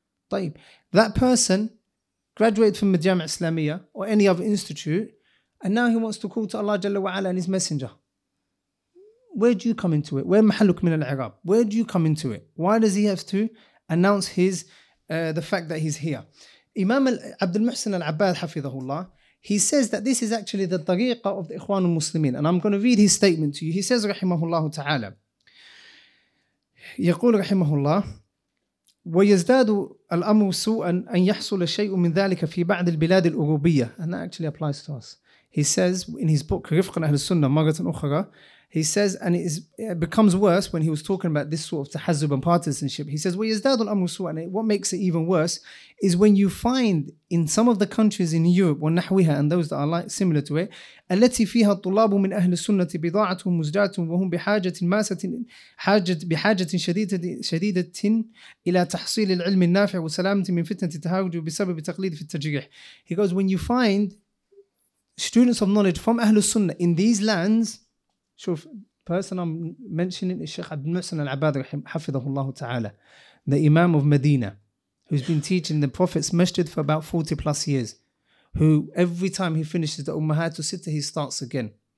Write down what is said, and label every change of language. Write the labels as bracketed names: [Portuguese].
[English] That person graduated from the Jama' Islamiyah or any other institute, and now he wants to call to Allah Jalla wa'ala and his messenger. Where do you come into it? Where [Arabic] mahalluk min al-Iraq? [English] Where do you come into it? Why does he have to announce the fact that he's here? Imam Abdul Muhsin al-Abbad hafidhahullah, he says that this is actually the tariqah of the Ikhwan al-Muslimin. And I'm going to read his statement to you. He says, [Arabic] rahimahullah ta'ala, يقول rahimahullah, ويزداد الأمر سوءا أن يحصل شيء من ذلك في بعض البلاد الأوروبية. [English] And that actually applies to us. He says in his book رفقا أهل السنة مرة أخرى, he says, and it becomes worse when he was talking about this sort of tahazzub and partisanship. [Arabic] He says, ويزداد الأمر سوءا, [English] and what makes it even worse is when you find in some of the countries in Europe [Arabic] ونحوها, [English] and those that are like, similar to it, [Arabic] التي فيها الطلاب من أهل السنة بضاعة مزجاة وهم بحاجة ماسة بحاجة شديدة إلى تحصيل العلم النافع وسلامة من فتنة التهاوج بسبب تقليد في التجريح. [English] He goes, when you find students of knowledge from أهل السنة in these lands, so the person I'm mentioning is Shaykh Abdul Muhsin al-Abbad hafidhahullah ta'ala, the Imam of Medina, who's been teaching the Prophet's masjid for about 40 plus years, who every time he finishes the Ummahatul Sittah, he starts again.